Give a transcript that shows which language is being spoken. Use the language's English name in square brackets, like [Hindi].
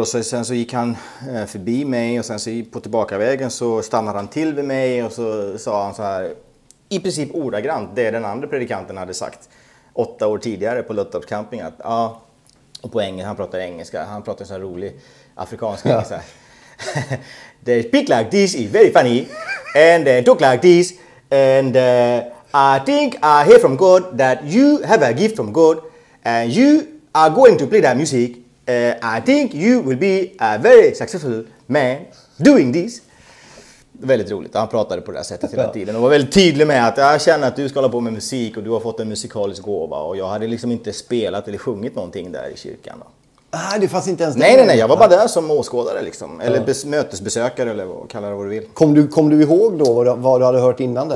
[Swedish] Och så, sen så gick han förbi mig och sen så på tillbakavägen så stannade han till vid mig. Och så sa han så här, i princip ordagrant, det den andra predikanten hade sagt 8 år tidigare på Luthers camping. Att, ja, och på engelska, han pratade engelska, han pratade så här rolig afrikansk engelska. [English] They speak like this, it's very funny. And they talk like this, and... I think I hear from God that you have a gift from God and you are going to play that music. I think you will be a very successful man doing this. [Swedish] Väldigt roligt. Han pratade på det här sättet hela tiden och var väldigt tydlig med att jag känner att du ska hålla på med musik och du har fått en musikalisk gåva. Och jag hade liksom inte spelat eller sjungit någonting där i kyrkan. Nej, det fanns inte ens det. Nej, jag var bara där som åskådare liksom. Eller mötesbesökare eller vad, kalla det vad du vill. Kom du ihåg då vad du hade hört innan där?